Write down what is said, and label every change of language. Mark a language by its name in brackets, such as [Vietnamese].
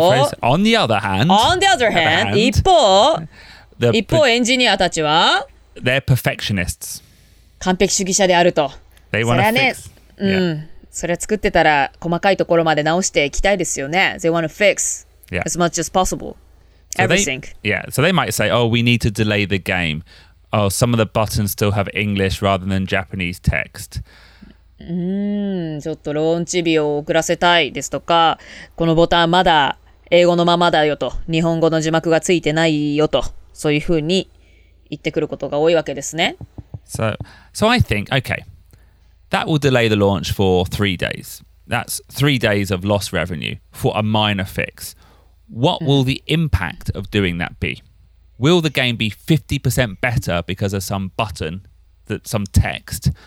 [English] what was that phrase? On the other hand, [Japanese] 一方、一方エンジニアたちは、 [English] they're perfectionists. [Japanese] 完璧主義者であると。 [English] They wanna fix. [Japanese] それ作ってたら細かいところまで直していきたいですよね。 [English] They wanna fix as much as possible. Everything. Yeah, so they might say, oh, we need to delay the game. Oh, some of the buttons still have English rather than Japanese text. [Japanese] ちょっとローンチ日を遅らせたいですとか、このボタンまだ英語のままだよと、日本語の字幕がついてないよと、そういうふうに言ってくることが多いわけですね。 [English] So I think, okay, that will delay the launch for 3 days. That's 3 days of lost revenue for a minor fix. What will the impact of doing that be? Will the game be 50% better because of some button, that some text?